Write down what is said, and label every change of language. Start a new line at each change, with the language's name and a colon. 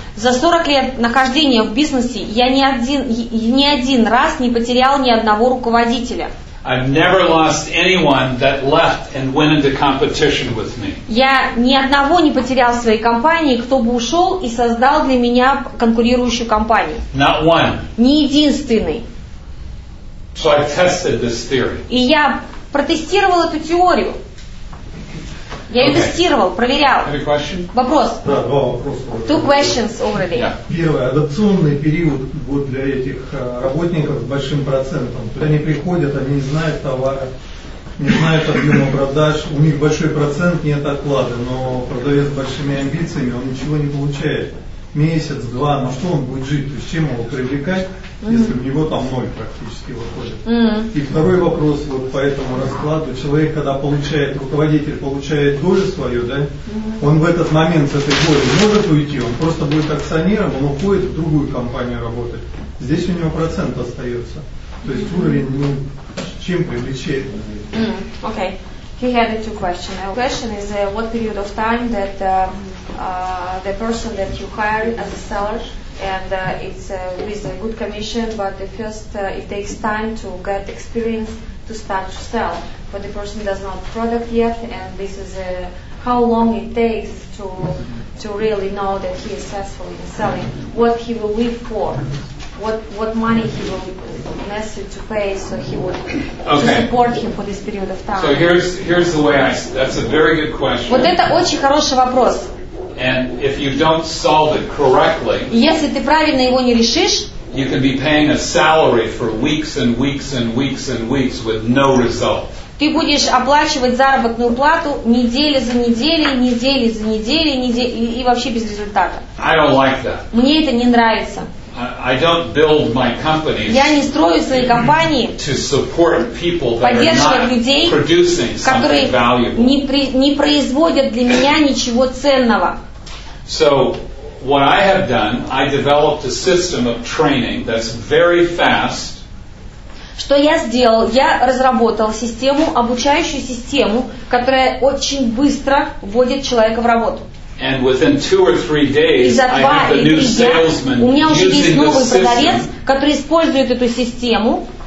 Russian: За 40 лет нахождения в бизнесе я ни один раз не потерял ни одного руководителя.
English: I've never lost anyone that left and went into competition with me.
Russian: Я ни одного не потерял в своей компании, кто бы ушел и создал для меня конкурирующую компанию.
English: Not one.
Russian: Ни единственный.
English: So I tested this theory.
Russian: И я протестировал эту теорию. Я ее тестировал, проверял.
English: Any question?
Russian: Вопрос. Да, два вопроса.
English: Two questions already.
Russian: Yeah. Первый. Адаптационный период вот для этих работников с большим процентом. Когда они приходят, они не знают товара, не знают объема продаж, у них большой процент, нет оклада, но продавец с большими амбициями, он ничего не получает. Месяц, два, на что он будет жить? То есть чем его привлекать, если у него там ноль практически выходит? Mm-hmm. И второй вопрос вот по этому раскладу. Человек, когда получает, руководитель получает долю свою, да, mm-hmm. он в этот момент с этой долей может уйти, он просто будет акционером, он уходит в другую компанию работать. Здесь у него процент остается. То есть mm-hmm. уровень, ну, чем привлечает?
English: Окей. Mm-hmm. Okay. He had two questions. The question is what period of time that the person that you hire as a seller and it's with a good commission, but the first it takes time to get experience to start to sell. But the person does not product yet, and this is how long it takes to really know that he is successful in selling. What he will live for. What money he will necessary to pay so he would okay. to support him for this period of time. So here's the way I that's a very good question.
Russian: Вот это очень хороший вопрос.
English: And if you don't solve it correctly,
Russian: если ты правильно его не решишь,
English: you could be paying a salary for weeks and weeks and weeks and weeks with no result.
Russian: Ты будешь оплачивать заработную плату неделя за неделей, недели за неделей, и вообще без результата.
English: I don't like that.
Russian: Мне это не нравится.
English: I don't build my companies.
Russian: Я не строю свои компании.
English: To support people that are not
Russian: людей,
English: producing something valuable.
Russian: Не производят для меня ничего ценного.
English: So what I have done, I developed a system of training that's very fast.
Russian: Что я сделал? Я разработал систему, обучающую систему, которая очень быстро вводит человека в работу.
English: And within two or three days, I have the new salesman using the system.